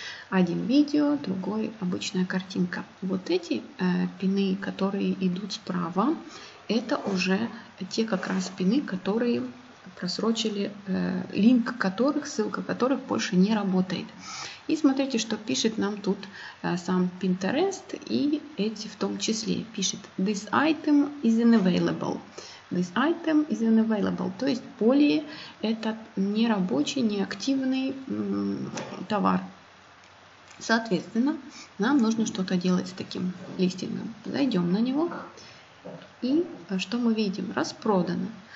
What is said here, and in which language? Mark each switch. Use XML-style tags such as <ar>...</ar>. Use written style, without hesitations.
<ru>Один видео, другой обычная картинка. Вот эти пины, которые идут справа, это уже те как раз пины, которые просрочили, линк которых, ссылка которых больше не работает. И смотрите, что пишет нам тут сам Pinterest, и эти в том числе. Пишет:</ru> <en>This item is unavailable. This item is unavailable.</en> <ru>То есть более этот нерабочий, неактивный товар. Соответственно, нам нужно что-то делать с таким листингом. Зайдем на него. И что мы видим? Распродано.</ru>